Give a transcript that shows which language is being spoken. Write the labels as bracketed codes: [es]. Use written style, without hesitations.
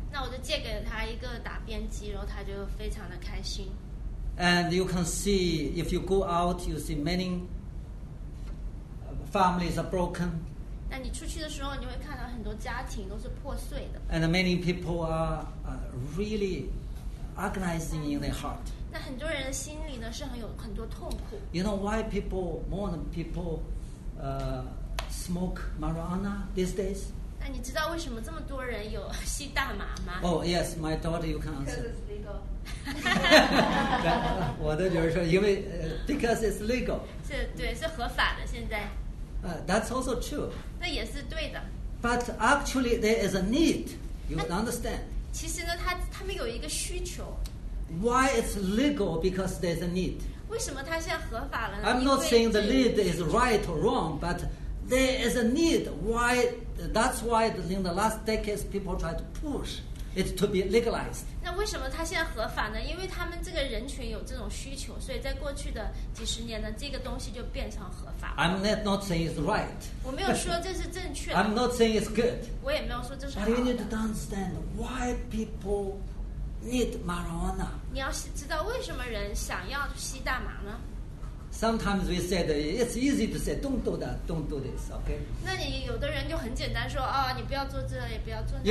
[zh] 那我就借给她一个打边机，然后她就非常的开心。 [en] And you can see, if you go out, you see many families are broken. [zh] 那你出去的时候，你会看到很多家庭都是破碎的。 [en] And many people are really agonizing in their heart. [zh] 那很多人的心里呢，是很有很多痛苦。 [en] You know why people, more than people, smoke marijuana these days? [zh] 那你知道为什么这么多人有吸大麻吗？ [en] Oh yes, my daughter, you can answer. Because it's legal. [zh] 我的女儿说，因为 [en] because it's legal. [zh] 是对，是合法的现在。 [en] That's also true. [zh] 那也是对的。 [en] But actually, there is a need. You understand? [zh] 其实呢，他们有一个需求。 [en] Why it's legal? Because there's a need. [zh] 为什么它现在合法了呢？ [en] I'm not saying the need is right or wrong, but there is a need. Why? That's why in the last decades, people try to push it to be legalized. [zh] 那为什么它现在合法呢？因为他们这个人群有这种需求， 所以在过去的几十年呢，这个东西就变成合法。 [en] I'm not saying it's right. [zh] 我没有说这是正确的。 [en] I'm not saying it's good. [zh] 我也没有说这是好的。 [en] But you need to understand why people need marijuana. [zh] 你要知道为什么人想要吸大麻呢？ [en] Sometimes we said it's easy to say, don't do that, don't do this, okay? [zh] 那你有的人就很简单说，哦，你不要做这，也不要做那。